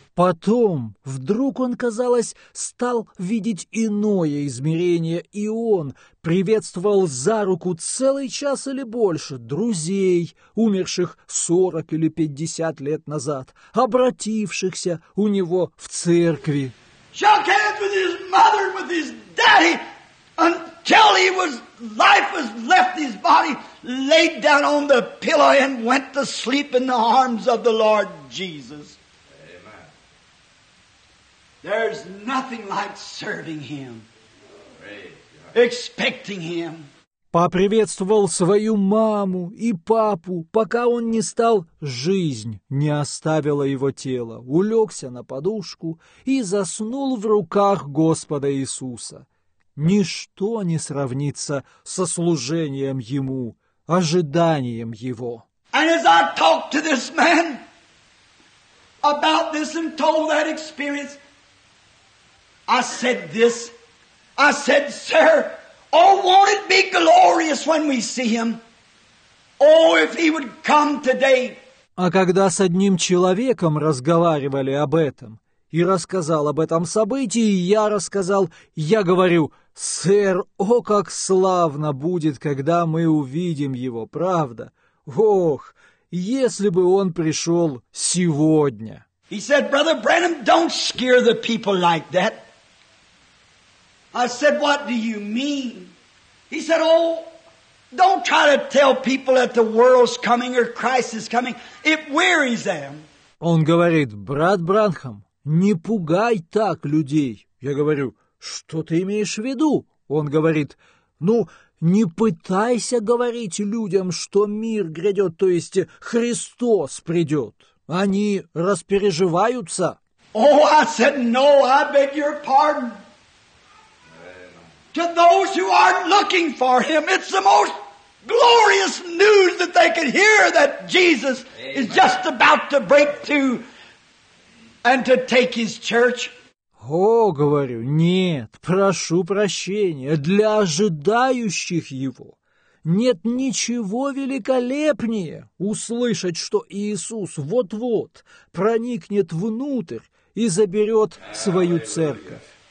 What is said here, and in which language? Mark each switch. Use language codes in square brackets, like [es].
[ru] Потом вдруг он, казалось, стал видеть иное измерение, и он приветствовал за руку целый час или больше друзей, умерших 40 или 50 лет назад, обратившихся у него в церкви. [en] Shook hands with his mother, with his daddy, until he was, life was left his body, laid down on the pillow and went to sleep in the arms of the Lord Jesus. Amen. There's nothing like serving him. Expecting him. [ru] Поприветствовал свою маму и папу, пока он не стал, жизнь не оставила его тело. Улегся на подушку и заснул в руках Господа Иисуса. Ничто не сравнится со служением ему, ожиданием его. [en] And as I talked to this man about this and told that experience, I said this. I said, "Sir, oh, won't it be glorious when we see him? Oh, if he would come today." [ru] А когда с одним человеком разговаривали об этом и рассказал об этом событии, я рассказал, я говорю: «Сэр, о, как славно будет, когда мы увидим его, правда? Ох, если бы он пришел сегодня!» [en] He said, "Brother Branham, don't scare the people like that." I said, "What do you mean?" He said, "Oh, don't try to tell people that the world's coming or Christ is coming. It wearies them." [ru] Он говорит: «Брат Бранхам, не пугай так людей!» Я говорю: «Что ты имеешь в виду?» Он говорит: «Ну, не пытайся говорить людям, что мир грядет, то есть Христос придет. Они распереживаются». [en] Oh, I said, "No, I beg your pardon. To those who are looking for him, it's the most glorious news that they could hear, that Jesus is just about to break through and to take his church." [ru] О, говорю, нет, прошу прощения, для ожидающих его нет ничего великолепнее услышать, что Иисус вот-вот проникнет внутрь и заберет свою церковь.